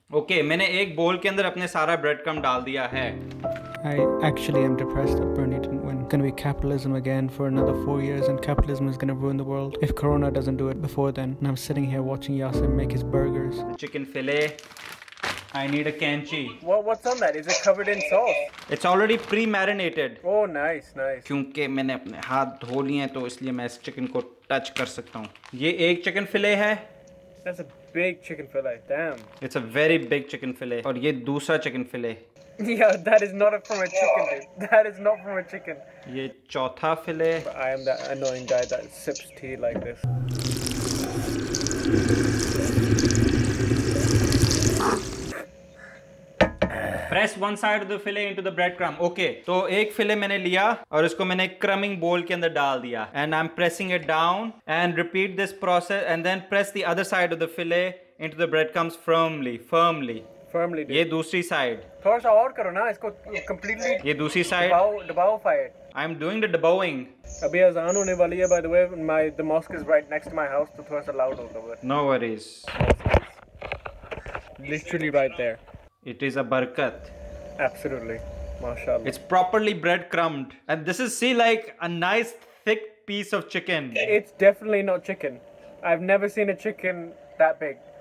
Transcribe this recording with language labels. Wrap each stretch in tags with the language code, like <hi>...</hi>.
<hi>Okay मैंने एक बोल के अंदर अपने सारा ब्रेड क्रम डाल दिया है.</hi> <en>I actually am depressed that Bernie didn't win. Gonna be capitalism again for another 4 years, and capitalism is gonna ruin the world if Corona doesn't do it before then. And I'm sitting here watching Yasir make his burgers. The chicken fillet. I need a kanchi. What's on that? Is it covered in sauce? It's already pre-marinated. Oh, nice.</en> <hi>क्योंकि मैंने अपने हाथ धो लिए हैं तो इसलिए मैं इस चिकन को टच कर सकता हूँ. ये एक चिकन फिलेट है.</hi> <en>That's a big chicken fillet, damn. It's a very big chicken fillet.</en> <hi>और ये दूसरा chicken fillet.</hi> <en>Yeah, that is not from a chicken, dude. That is not from a chicken.</en> <hi>ये चौथा fillet.</hi> <en>I am the annoying guy that sips tea like this. Press one side of the fillet into the breadcrumb.</en> <hi>Okay, तो एक फिले मैंने लिया और इसको मैंने crumbing बोल के अंदर डाल दिया.</hi> <en>And I am pressing it down and repeat this process and then press the other side of the fillet into the bread crumbs firmly. firmly.</en> <hi>ये दूसरी साइड. थोड़ा सा और करो ना इसको completely. ये दूसरी साइड. दबाओ fire.</hi> <en>I am doing the dabowing.</en> <hi>अभी अजान होने वाली है</hi> <en>by the way. The mosque is right next to my house,</en> <hi>तो थोड़ा सा loud होगा.</hi> <en>No worries. Literally right there. It is a barakat. Absolutely. MashaAllah. It's properly bread crumbed. And this is, see, like a nice thick piece of chicken. It's definitely not chicken. I've never seen a chicken that big.</en>